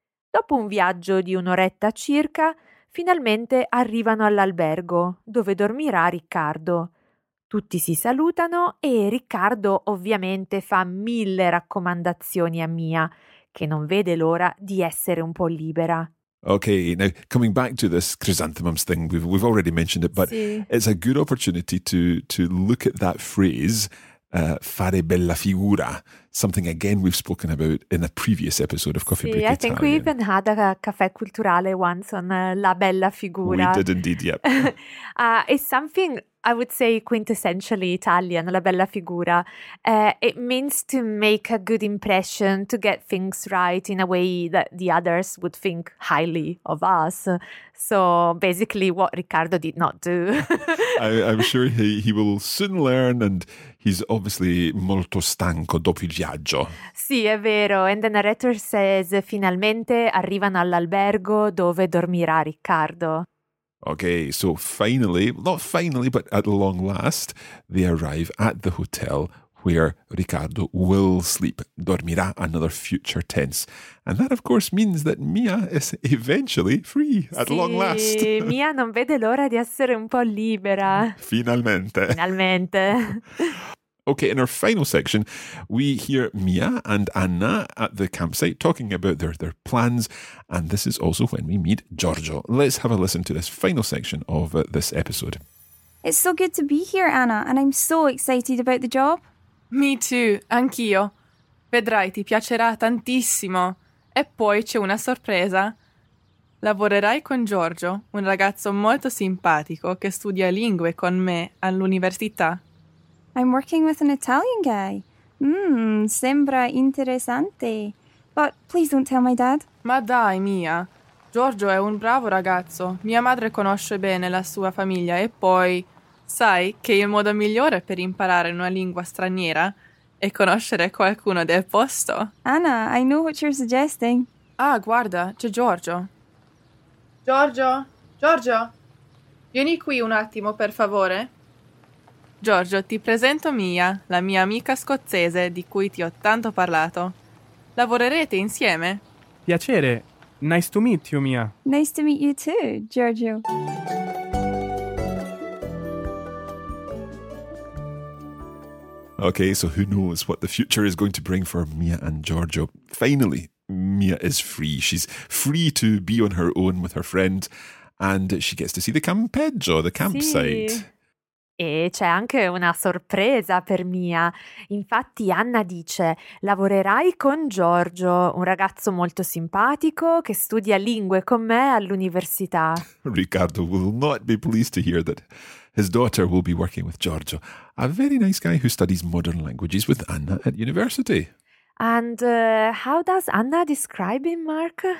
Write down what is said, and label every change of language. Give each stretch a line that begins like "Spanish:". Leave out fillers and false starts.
Italian: Dopo un viaggio di un'oretta circa, finalmente arrivano all'albergo, dove dormirà Riccardo. Tutti si salutano e Riccardo ovviamente fa mille raccomandazioni a Mia, che non vede l'ora di essere un po' libera.
English: Okay, now coming back to this chrysanthemums thing, we've already mentioned it, but
Italian: sì,
English: it's a good opportunity to look at that phrase,
Italian: fare bella figura,
English: something again we've spoken about in a previous episode of Coffee
Italian: sì,
English: Break I I think we even had a caffè culturale once on la bella figura. We did indeed, yep. It's something I would say quintessentially Italian, la bella figura. It means to make a good impression, to get things right in a way that the others would think highly of us. So basically what Riccardo did not do. I'm sure he will soon learn, and he's obviously
Italian: molto stanco dopo il viaggio. Sì, è vero.
English: And the narrator says,
Italian: finalmente arrivano all'albergo dove dormirà Riccardo.
English: Okay, so finally, not finally, but at long last, they arrive at the hotel where Riccardo will sleep. Dormirà, another future tense. And that, of course, means that Mia is eventually free, at
Italian: sì,
English: long last.
Italian: Sì, Mia non vede l'ora di essere un po' libera. Finalmente. Finalmente.
English: Okay, in our final section, we hear Mia and Anna at the campsite talking about their plans, and this is also when we meet Giorgio. Let's have a listen to this final section of this episode. It's so good to be here, Anna, and I'm so excited about the job. Me too,
Italian: anch'io. Vedrai, ti piacerà tantissimo. E poi c'è una sorpresa. Lavorerai con Giorgio, un ragazzo molto simpatico che studia lingue con me all'università.
English: I'm working with an Italian guy.
Italian: Sembra interessante.
English: But please don't tell my dad.
Italian: Ma dai, Mia. Giorgio è un bravo ragazzo. Mia madre conosce bene la sua famiglia e poi... Sai che il modo migliore per imparare una lingua straniera è conoscere qualcuno del posto. Anna, I know what you're suggesting. Ah, guarda, c'è Giorgio. Giorgio? Giorgio? Vieni qui un attimo, per favore. Giorgio, ti presento Mia, la mia amica scozzese di cui ti ho tanto parlato. Lavorerete insieme? Piacere.
English: Nice to meet you, Mia. Nice to meet you too, Giorgio. Okay, so who knows what the future is going to bring for Mia and Giorgio. Finally, Mia is free. She's free to be on her own with her friend, and she gets to see the campeggio, the campsite.
Italian: Sì. E c'è anche una sorpresa per Mia. Infatti Anna dice, lavorerai con Giorgio, un ragazzo molto simpatico che studia lingue con me all'università.
English: Riccardo will not be pleased to hear that his daughter will be working with Giorgio, a very nice guy who studies modern languages with Anna at university. And how does Anna describe him, Mark?